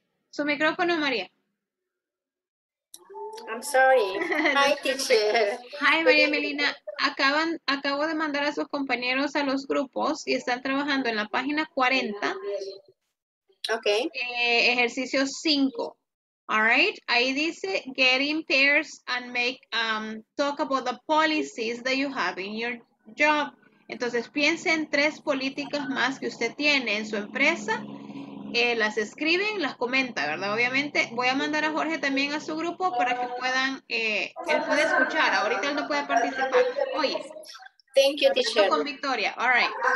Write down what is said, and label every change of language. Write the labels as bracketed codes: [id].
[es] Su micrófono, María. [en] I'm sorry. Hi, teacher. Hi, María Emelina. [es] acabo de mandar a sus compañeros a los grupos y están trabajando en la página 40. [en] Ok. [es] Ejercicio 5. [en] All right. [es] Ahí dice, [en] get in pairs and make talk about the policies that you have in your job. [es] Entonces, piensen en tres políticas más que usted tiene en su empresa. Las escriben, las comenta, ¿verdad? Obviamente, voy a mandar a Jorge también a su grupo para que puedan, él puede escuchar. Ahorita él no puede participar. Oye. [en] Thank you, teacher. [es] Con Victoria. [en] All right.